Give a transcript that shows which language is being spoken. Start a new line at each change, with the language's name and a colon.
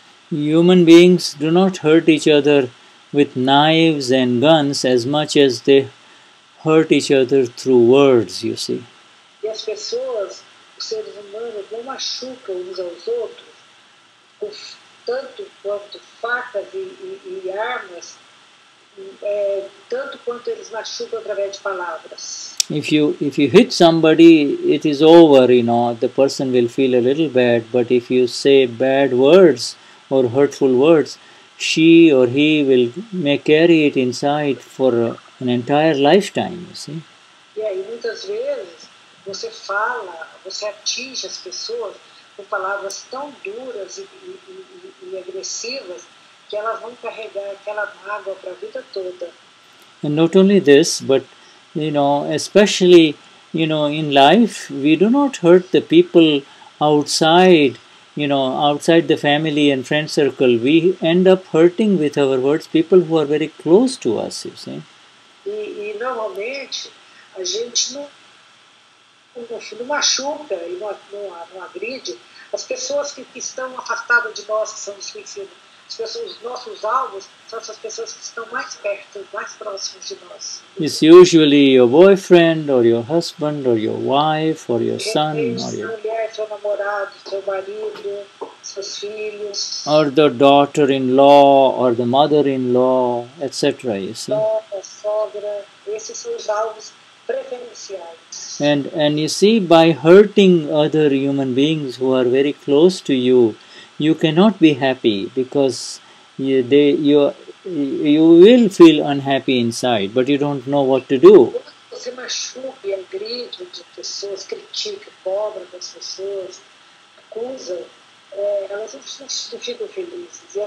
English: Human beings do not hurt each other with knives and guns as much as they hurt each other through words, you see.
Portuguese: E as pessoas, os seres humanos, não machucam uns aos outros com tanto quanto facas e armas, tanto quanto eles machucam através de palavras.
English: If you hit somebody, it is over, you know, the person will feel a little bad, but if you say bad words or hurtful words, she or he will may carry it inside for an entire lifetime, you see.
Portuguese: Yeah, e muitas vezes você fala, você atinge as pessoas com palavras tão duras e agressivas que elas vão carregar aquela mágoa para a vida toda.
English: And not only this, but, you know, especially, you know, in life, we do not hurt the people outside, you know, outside the family and friend circle. We end up hurting with our words people who are very close to us, you see.
Portuguese: E normalmente, a gente não machuca e não agride as pessoas que estão afastadas de nós, que são desconhecidas. As pessoas, nossos alvos são essas pessoas que estão mais perto, mais próximas de nós.
English: It's usually your boyfriend, or your husband, or your wife, or your son, or your...
Portuguese: mulher, seu namorado, seu marido, seus filhos.
English: Or the daughter-in-law, or the mother-in-law, etc. You see?
Portuguese: Sogra, sogra, esses são os alvos preferenciais.
English: And you see, by hurting other human beings who are very close to you, you cannot be happy because you will feel unhappy inside, but you don't know what to do.
Portuguese: Você machuca e agride de pessoas, critica, cobra das pessoas, acusa, elas não ficam felizes.